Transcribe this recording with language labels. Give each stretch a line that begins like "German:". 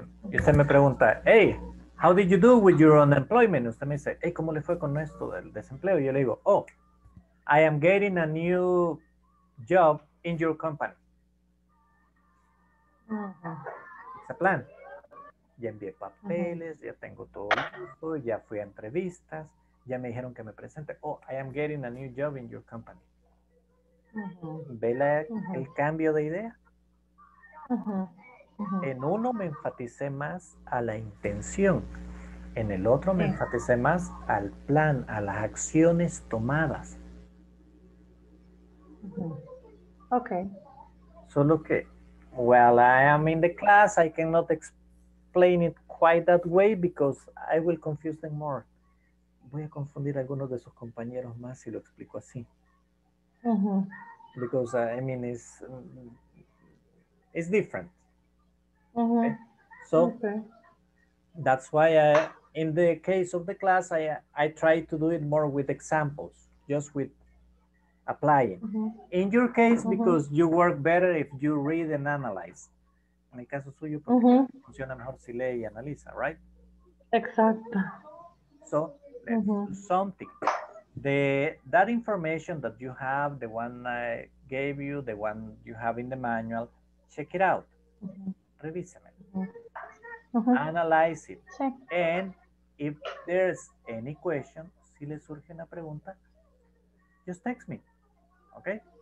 Spanish: Y usted me pregunta,
English: hey, how did you do with your unemployment?
Spanish: Usted me dice, hey, ¿cómo le fue con esto del desempleo? Y yo le digo,
English: oh, I am getting a new job in your company. It's a plan.
Spanish: Ya envié papeles, ya tengo todo listo, ya fui a entrevistas, ya me dijeron que me presente.
English: Oh, I am getting a new job in your company.
Spanish: ¿Ve la, el cambio de idea? En uno me enfaticé más a la intención. En el otro me enfaticé más al plan, a las acciones tomadas.
English: Okay.
Spanish: Solo que,
English: well, I am in the class. I cannot explain it quite that way because I will confuse them more.
Spanish: Voy a confundir a algunos de sus compañeros más si lo explico así.
English: Because, I mean, it's different. Okay. That's why I, in the case of the class, I try to do it more with examples, just with applying. In your case, because you work better if you read and analyze.
Spanish: En el caso suyo, porque funciona mejor si lee y analiza, right? Exacto.
English: So, let's do something. The, that information that you have, the one I gave you, the one you have in the manual, check it out.
Spanish: Revísame.
English: Analyze it. And if there's any question,
Spanish: si le surge una pregunta,
English: just text me. Okay?